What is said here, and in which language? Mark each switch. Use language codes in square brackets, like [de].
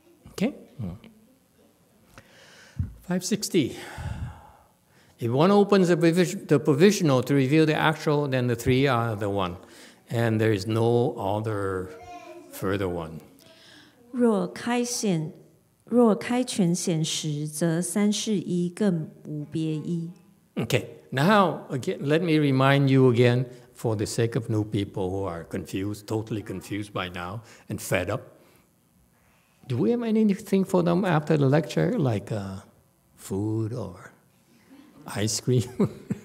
[en] Okay? 560. If one opens the provisional to reveal the actual, then the three are the one, and there is no other further one. [zh] 若开全显时，则三是一，更无别一。 [en] Okay, now again, let me remind you again, for the sake of new people who are confused, totally confused by now, and fed up. Do we have anything for them after the lecture, like food or ice cream?